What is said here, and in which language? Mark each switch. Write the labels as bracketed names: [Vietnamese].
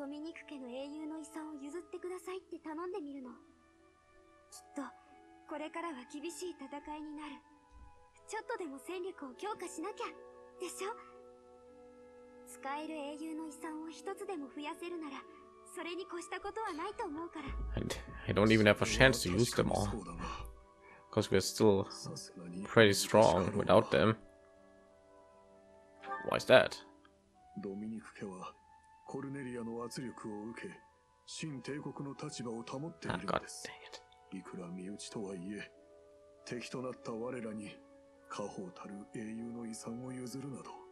[Japanese] ドミニク家の英雄の遺産を譲ってくださいって頼んでみるの。きっとこれからは厳しい戦いになる。ちょっとでも戦力を強化しなきゃでしょ。使える英雄の遺産を一つでも増やせるなら、それに越したことはないと思うから。 [English] I don't even have a chance to use them all because we're still pretty strong without them. Why is that? [Japanese] ドミニク家はコルネリアの圧力を受け、新帝国の立場を保っているんです。いくら身内とはいえ、敵となった我らに家宝たる英雄の遺産を譲るなど。